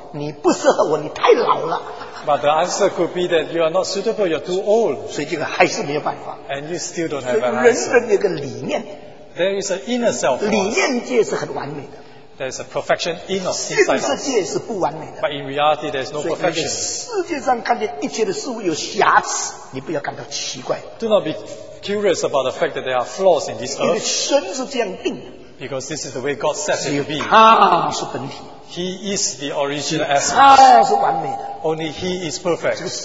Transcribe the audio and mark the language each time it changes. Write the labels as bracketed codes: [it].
[zh] 你说我很适合你，但我老是告诉你，你不适合我，你太老了。 [en] But the answer could be that you are not suitable, you're too old. [zh] 所以这个还是没有办法。 [en] And you still don't have an answer. [zh] 所以人人有个理念。 [en] There is an inner self. [zh] 理念界是很完美的。 [en] There's a perfection in us inside us. But in reality, there's no perfection. [zh] 所以世界上看见一切的事物有瑕疵，你不要感到奇怪。 [en] Do not be curious about the fact that there are flaws in this earth. [zh] 因为神是这样定的。 [en] Because this is the way God sets it to be. [zh] 他是本体, [en] he is the original essence. Only he is perfect.